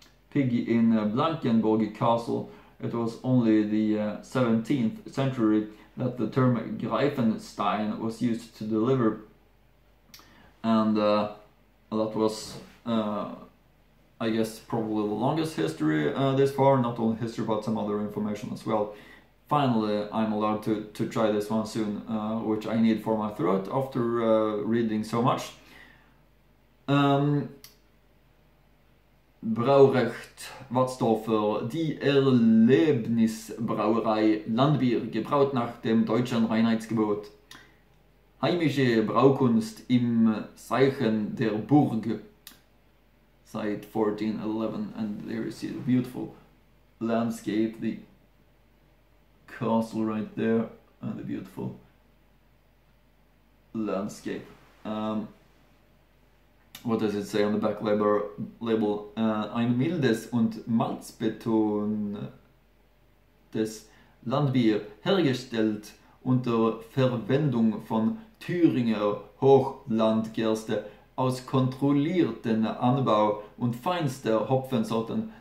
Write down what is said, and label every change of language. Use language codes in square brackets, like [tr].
[en] Pig in Blankenburg Castle. It was only the 17th century that the term Greifenstein was used to deliver, and that was, I guess, probably the longest history this far, not only history but some other information as well. Finally, I'm allowed to try this one soon, which I need for my throat after reading so much. [de] Braurecht, Watzdorfer, die Erlebnisbrauerei Landbier, gebraut nach dem deutschen Reinheitsgebot. Heimische Braukunst im Zeichen der Burg. Seit 1411, [en] and there you see the beautiful landscape, the castle right there, and the beautiful landscape. What does it say on the back label? [de] Ein mildes und malzbetontes Landbier, hergestellt unter Verwendung von Thüringer Hochlandgerste aus kontrollierten Anbau und feinster Hopfensorten.